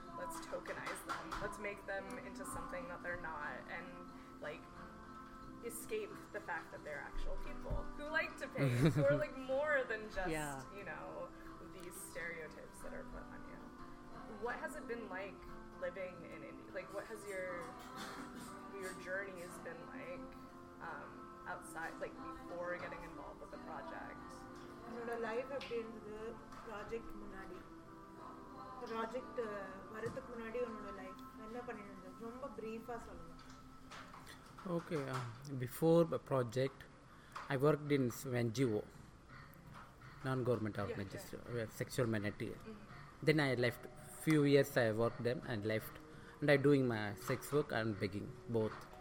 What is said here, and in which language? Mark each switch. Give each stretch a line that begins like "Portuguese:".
English: Let's tokenize them, let's make them into something that they're not, and like escape the fact that they're actual people who like to paint, who are like more than just, yeah. You know, these stereotypes that are put on you. what has it been like living in India? Like, what has your journey has been like outside, like before getting involved with the project?
Tamil: என்னோட life அப்படின்றது project முன்னாடி project வரதுக்கு முன்னாடி உன்னோட life என்ன பண்ணிட்டு இருந்தது ரொம்ப ப்ரீஃபாக சொல்லணும்.
English: Okay, before the project, I worked in NGO, non-government organization, sexual minority. Mm-hmm. Then I left. Few years I worked them and left. And I doing my sex work and begging, both.